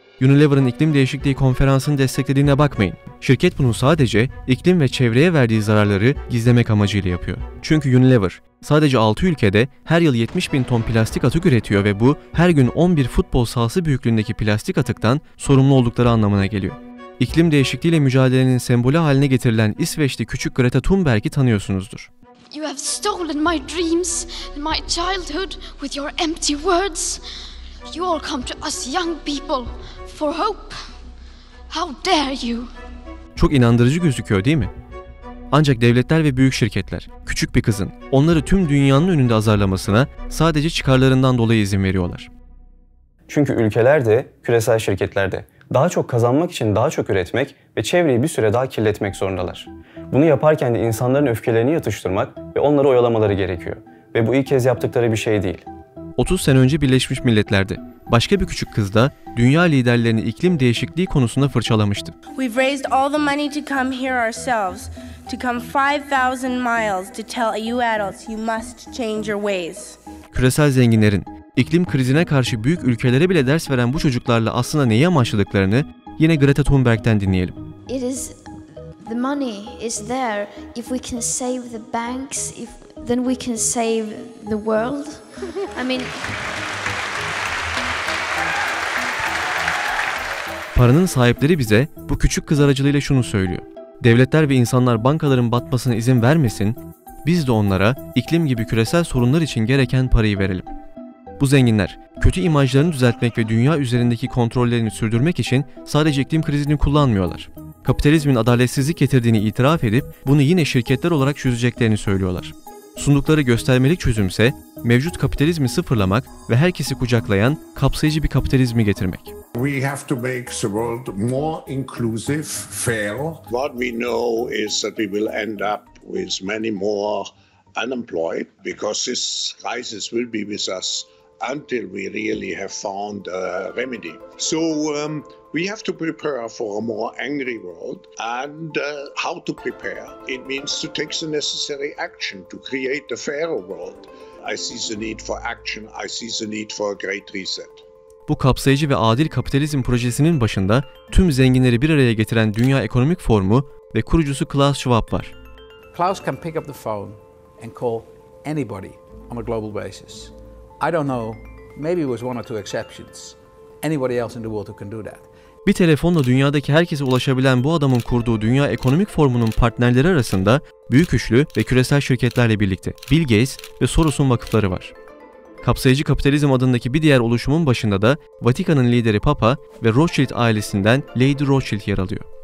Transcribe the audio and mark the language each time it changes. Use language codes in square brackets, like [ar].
[tr] Unilever'ın iklim değişikliği konferansını desteklediğine bakmayın. Şirket bunu sadece iklim ve çevreye verdiği zararları gizlemek amacıyla yapıyor. Çünkü Unilever sadece 6 ülkede her yıl 70 bin ton plastik atık üretiyor ve bu her gün 11 futbol sahası büyüklüğündeki plastik atıktan sorumlu oldukları anlamına geliyor. İklim değişikliğiyle mücadelenin sembolü haline getirilen İsveçli küçük Greta Thunberg'i tanıyorsunuzdur. [en] You have stolen my dreams and my childhood with your empty words. You all come to us young people for hope. How dare you? [tr] Çok inandırıcı gözüküyor, değil mi? Ancak devletler ve büyük şirketler, küçük bir kızın onları tüm dünyanın önünde azarlamasına sadece çıkarlarından dolayı izin veriyorlar. Çünkü ülkeler de, küresel şirketler de daha çok kazanmak için daha çok üretmek ve çevreyi bir süre daha kirletmek zorundalar. Bunu yaparken de insanların öfkelerini yatıştırmak ve onları oyalamaları gerekiyor. Ve bu ilk kez yaptıkları bir şey değil. 30 sene önce Birleşmiş Milletler'de başka bir küçük kız da dünya liderlerini iklim değişikliği konusunda fırçalamıştı. [en] We've raised all the money to come here ourselves, to come 5000 miles to tell you adults you must change your ways. [tr] Küresel zenginlerin iklim krizine karşı büyük ülkelere bile ders veren bu çocuklarla aslında neyi amaçladıklarını yine Greta Thunberg'den dinleyelim. [en] It is the money is there. If we can save the banks, if then we can save the world. I mean, [tr] paranın sahipleri bize bu küçük kız aracılığıyla şunu söylüyor. Devletler ve insanlar bankaların batmasına izin vermesin, biz de onlara iklim gibi küresel sorunlar için gereken parayı verelim. Bu zenginler, kötü imajlarını düzeltmek ve dünya üzerindeki kontrollerini sürdürmek için sadece iklim krizini kullanmıyorlar. Kapitalizmin adaletsizlik getirdiğini itiraf edip bunu yine şirketler olarak çözeceklerini söylüyorlar. Sundukları göstermelik çözümse mevcut kapitalizmi sıfırlamak ve herkesi kucaklayan kapsayıcı bir kapitalizmi getirmek. [en] We have to make the world more inclusive, fair. What we know is that we will end up with many more unemployed because this crisis will be with us until we really have found a remedy. So we have to prepare for a more angry world, and how to prepare? It means to take the necessary action to create a fairer world. I see the need for action. I see the need for a great reset. [tr] Bu kapsayıcı ve adil kapitalizm projesinin başında tüm zenginleri bir araya getiren Dünya Ekonomik Forumu ve kurucusu Klaus Schwab var. [en] Klaus can pick up the phone and call anybody on a global basis. I don't know, maybe it was one or two exceptions. Anybody else in the world who can do that. [tr] Bir telefonla dünyadaki herkese ulaşabilen bu adamın kurduğu Dünya Ekonomik Forumu'nun partnerleri arasında büyük üçlü ve küresel şirketlerle birlikte Bill Gates ve Soros'un vakıfları var. Kapsayıcı Kapitalizm adındaki bir diğer oluşumun başında da Vatikan'ın lideri Papa ve Rothschild ailesinden Lady Rothschild yer alıyor.